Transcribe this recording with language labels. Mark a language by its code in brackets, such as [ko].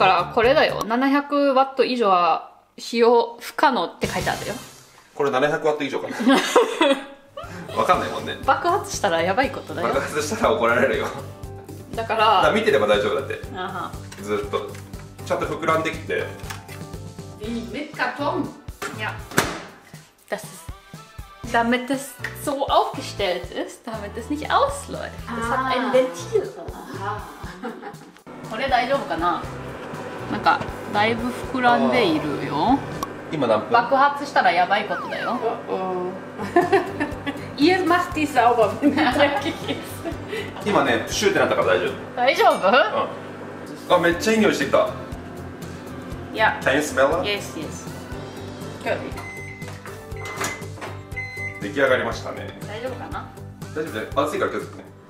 [ja] だからこれだよ、700ワット以上は使用不可能って書いてあるよ。これ700ワット以上かな。分かんないもんね。爆発したらやばいことだよ。爆発したら怒られるよ。だから、だから見てれば大丈夫だって。あは、ずっとちゃんと膨らんできて、めっかとん、 [de] いや、damit es so aufgestellt ist, damit es nicht ausläuft. Es hat ein Ventil. [ja] これ大丈夫かな？なんかだいぶ膨らんでいるよ。今何分？爆発したらやばいことだよ。 [de] Ihr macht die sauber, wenn du dreckig ist. [ja] 今ね、プシューってなったから大丈夫。大丈夫？うん。あ、めっちゃいい匂いしてきた。 [en] Yeah. Can you smell it? Yes, yes. Good. [ja] 出来上がりましたね。大丈夫かな？大丈夫、熱いから気をつけてね。